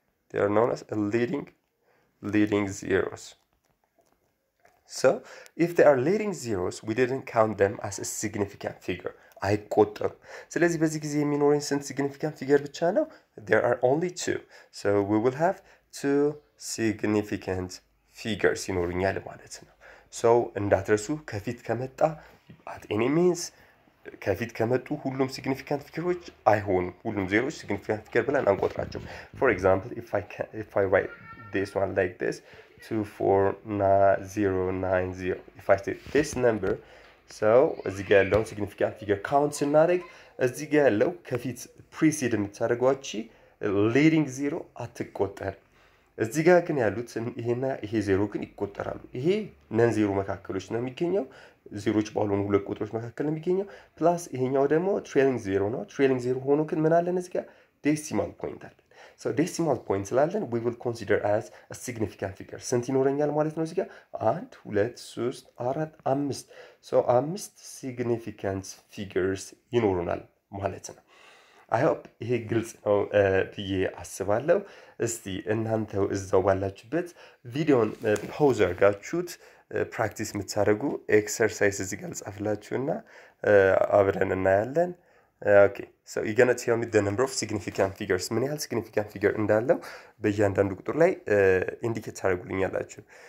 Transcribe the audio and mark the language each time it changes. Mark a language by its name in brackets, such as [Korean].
[English] They are known as leading zeros. So if they are leading zeros, we didn't count them as a significant figure. I quote them. So let's basically minorin since significant figure which I know there are only 2. So we will have 2 significant figures in ordinal [Amharic] ማለት ነው. So እንዳትረሱ ከፊት ከመጣ [English] at any means [Amharic] ከፊት ከመጡ ሁሉም significant figures አይሆን ሁሉም ዜሮዎች significant figure ብለን አንቆጥራቸው. [English] For example if I write this one like this 249090, if I say this number, so [Amharic] እዚህ ጋር ያለው significant figure count ስናደርግ እዚህ ጋር ያለው ከፊት precede የምታደርጓቺ leading zero አትቆጠር. እዚህ ጋር ግን ያሉት ይሄና ይሄ ዜሮ ግን ይቆጠራሉ. ይሄ ነን ዜሮ መካከሎች ነው የሚገኘው, ዜሮዎች ባሉን ሁለት ቁጥሮች መካከል የሚገኘው plus ይሄኛው ደግሞ trailing zero ነው. trailing zero ሆኖ ግን ምን አለን እዚህ ጋር decimal point አለን. [English] So decimal point [Amharic] ስላለን [English] we will consider as a significant figure. [Amharic] ስንት ይኖረኛል ማለት ነው እዚህ ጋር? 1 2 3 4 5. [English] So 5 significant figures [Amharic] ይኖሩናል ማለት ነው. [English] I hope [Amharic] ይሄ ግልጽ ነው ብዬ አስባለሁ. እስቲ እናንተው እዛው ባላችሁበት ቪዲዮን ፖዝ አርጋችሁት ፕራክቲስ የምታደርጉ ኤክሰርሳይዝ እዚህ ጋር ጻፍላችሁና አብረን እናያለን. [English] ኦኬ, so you're going to tell me the number of significant figures. [Amharic] ምን ያህል significant figure እንዳለው በእያንዳንዱ ቁጥር ላይ ኢንዲኬት አድርጉልኛላችሁ.